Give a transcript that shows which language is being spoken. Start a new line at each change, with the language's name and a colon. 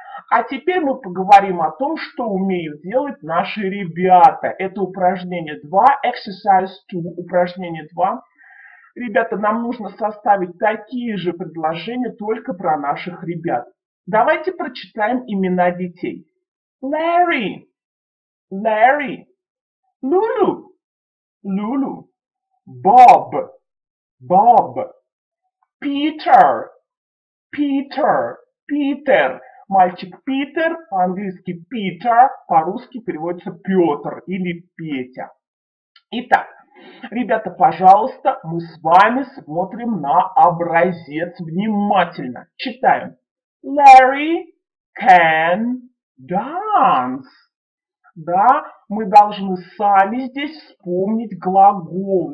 Russian: А теперь мы поговорим о том, что умеют делать наши ребята. Это упражнение 2,
English: exercise 2,
Russian: упражнение 2. Ребята, нам нужно составить такие же предложения, только про наших ребят. Давайте прочитаем имена детей. Larry, Larry, Lulu, Lulu, Bob, Bob, Peter, Peter, Peter, мальчик Питер, по-английски Peter, по-русски переводится Петр или Петя. Итак, ребята, пожалуйста, мы с вами смотрим на образец внимательно. Читаем.
English: Larry can dance.
Russian: Да, мы должны сами здесь вспомнить глаголы.